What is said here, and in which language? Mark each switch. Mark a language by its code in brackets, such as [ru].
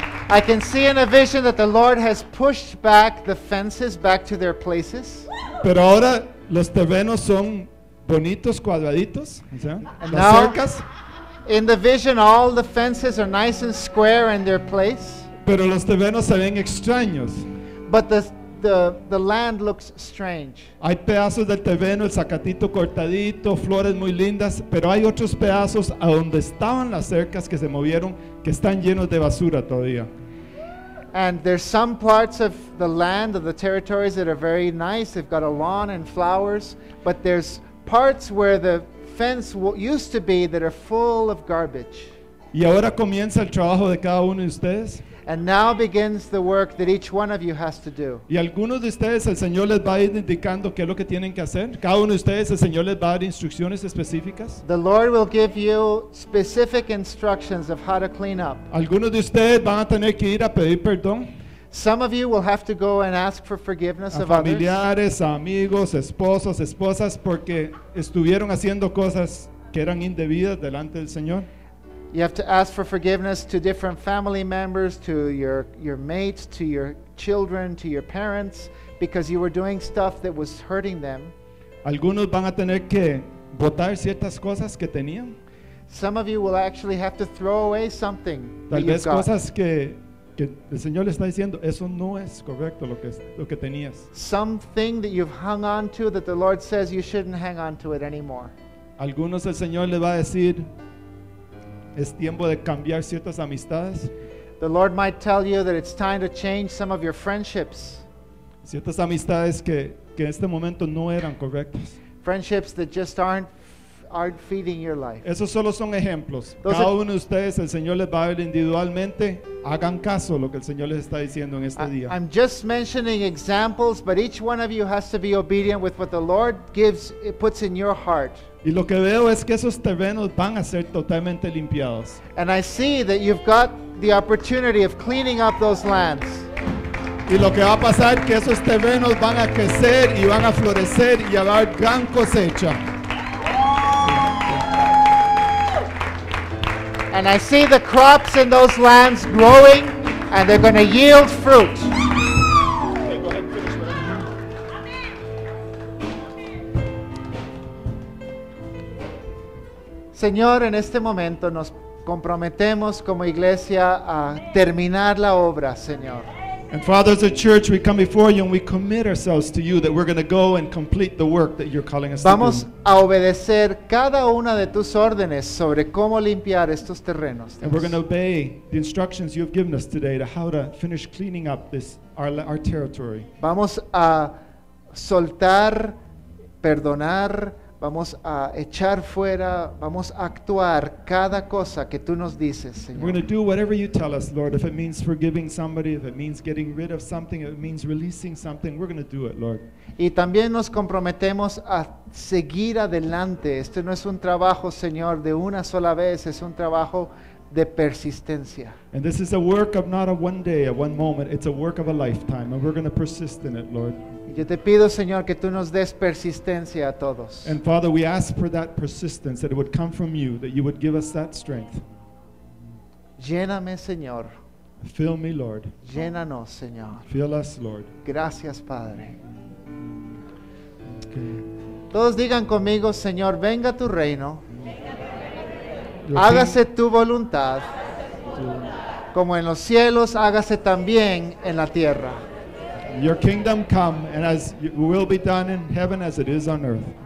[en] I can see in a vision that the Lord has pushed back the fences back to their places. [es] Pero ahora los terrenos son bonitos cuadraditos, las cercas. [en] In the vision, all the fences are nice and square in their place. [es] Pero los terrenos se ven extraños. [en] But the land looks strange. [es] Hay pedazos del terreno, el zacatito cortadito, flores muy lindas, pero hay otros pedazos a donde estaban las cercas que se movieron, que están llenos de basura todavía. [en] And there's some parts of the land, of the territories that are very nice, they've got a lawn and flowers, but there's parts where the fence used to be that are full of garbage. [es] Y ahora comienza el trabajo de cada uno de ustedes. [en] And now begins the work that each one of you has to do. [es] Y algunos de ustedes el Señor les va a ir indicando qué es lo que tienen que hacer. Cada uno de ustedes el Señor les va a dar instrucciones específicas. [en] The Lord will give you specific instructions of how to clean up. [es] Algunos de ustedes van a tener que ir a pedir perdón. [en] Some of you will have to go and ask for forgiveness of others. [es] A familiares, amigos, esposos, esposas, porque estuvieron haciendo cosas que eran indebidas delante del Señor. [en] You have to ask for forgiveness to different family members, to your mates, to your children, to your parents, because you were doing stuff that was hurting them. [es] Algunos van a tener que botar ciertas cosas que tenían. [en] Some of you will actually have to throw away something. [es] Tal vez cosas que el Señor le está diciendo, eso no es correcto lo que tenías. [en] Something that you've hung on to that the Lord says you shouldn't hang on to it anymore. [es] Algunos el Señor le va a decir, es tiempo de cambiar ciertas amistades. [en] The Lord might tell you that it's time to change some of your friendships. [es] Ciertas amistades que en este momento no eran correctas. [en] Friendships that just aren't feeding your life. [es] Esos solo son ejemplos. Cada uno de ustedes, el Señor les va a ver individualmente. Hagan caso a lo que el Señor les está diciendo en este día. [en] I'm just mentioning examples, but each one of you has to be obedient with what the Lord gives, it puts in your heart. [es] Y lo que veo es que esos terrenos van a ser totalmente limpiados. [en] And I see that you've got the opportunity of cleaning up those lands. [es] Y lo que va a pasar es que esos terrenos van a crecer y van a florecer y a dar gran cosecha. [en] And I see the crops in those lands growing and they're going to yield fruit. [es] Señor, en este momento nos comprometemos como iglesia a terminar la obra, Señor. [en] And Father, as a church, we come before you and we commit ourselves to you that we're going to go and complete the work that you're calling us to do. [es] Vamos a obedecer cada una de tus órdenes sobre cómo limpiar estos terrenos. [en] And we're going to obey the instructions you've given us today to how to finish cleaning up this our territory. [es] Vamos a soltar, perdonar, vamos a echar fuera, vamos a actuar cada cosa que tú nos dices, Señor. [en] We're going to do whatever you tell us, Lord. If it means forgiving somebody, if it means getting rid of something, if it means releasing something, we're going to do it, Lord. [es] Y también nos comprometemos a seguir adelante. Este no es un trabajo, Señor, de una sola vez. Es un trabajo de persistencia. [en] And this is a work of not a one day, a one moment. It's a work of a lifetime, and we're going to persist in it, Lord. [es] Yo te pido, Señor, que tú nos des persistencia a todos. [en] And Father, we ask for that persistence, that it would come from you, that you would give us that strength. [es] Lléname, Señor. [en] Fill me, Lord. [es] Llénanos, Señor. [en] Fill us, Lord. [es] Gracias, Padre. Todos digan conmigo, Señor, venga tu reino. Hágase tu voluntad. Como en los cielos, hágase también en la tierra. [en] Your kingdom come, and as it will be done in heaven as it is on earth.